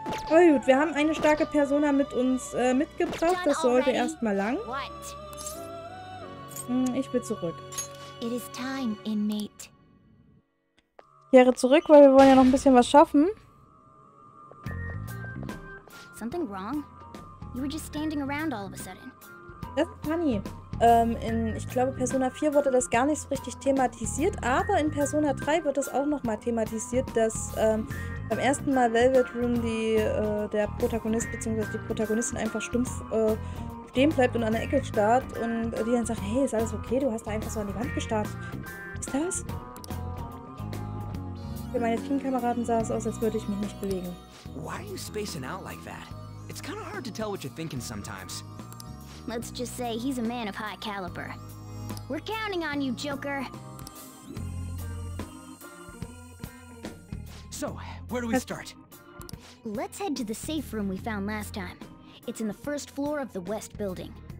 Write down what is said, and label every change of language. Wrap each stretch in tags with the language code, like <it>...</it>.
<de>Oh gut, wir haben eine starke Persona mit uns mitgebracht. Das sollte erstmal lang. Ich will zurück.</de> <en>It is time, Inmate.</en> <de>Ich kehre zurück, weil wir wollen ja noch ein bisschen was schaffen.</de> <en>Something wrong? You were just standing around all of a sudden.</en> <de>Das ist funny. Ich glaube, Persona 4 wurde das gar nicht so richtig thematisiert, aber in Persona 3 wird das auch nochmal thematisiert, dass beim ersten Mal Velvet Room der Protagonist bzw. die Protagonistin einfach stumpf stehen bleibt und an der Ecke starrt und die dann sagt, hey, ist alles okay, du hast da einfach so an die Wand gestarrt. Ist das? Für meine Teamkameraden sah es aus, als würde ich mich nicht bewegen.</de> <en>Why are you spacing out like that? It's kind of hard to tell what you're thinking sometimes. Let's just say he's a man of high caliber. We're counting on you, Joker. So, where do we start? Let's head to the safe room we found last time. It's in the first floor of the West Building.</en>